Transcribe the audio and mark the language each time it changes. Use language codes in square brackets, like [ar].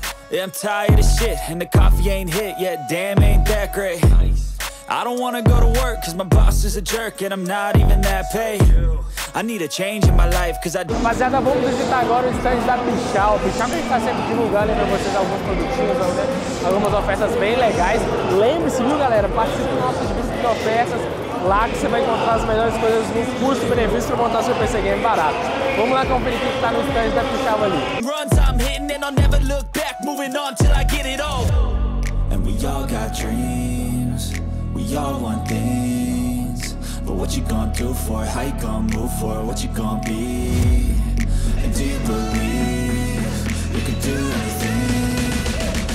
[en] Yeah, I'm tired of shit, and the coffee ain't hit yet, damn, ain't that great. I don't wanna go to work, cause my boss is a jerk, and I'm not even that paid. I need a change in my life, cause I... [pt] Rapaziada, vamos visitar agora o stand da Pichau. Pichau que a gente tá sempre divulgando pra vocês alguns produtinhos, algumas ofertas bem legais. Lembre-se, viu, galera, participe do nosso grupo de ofertas. Lá que você vai encontrar as melhores coisas no custo-benefício pra montar seu PC Game barato. Vamos lá conferir o que tá no stand da Pichau ali. [en] Runs I'm hitting and I'll never look back, moving on till I get it all. And we all got dreams, we all want things. But what you gonna do for it? How you gonna move for it? What you gonna be? And do you believe you can do anything?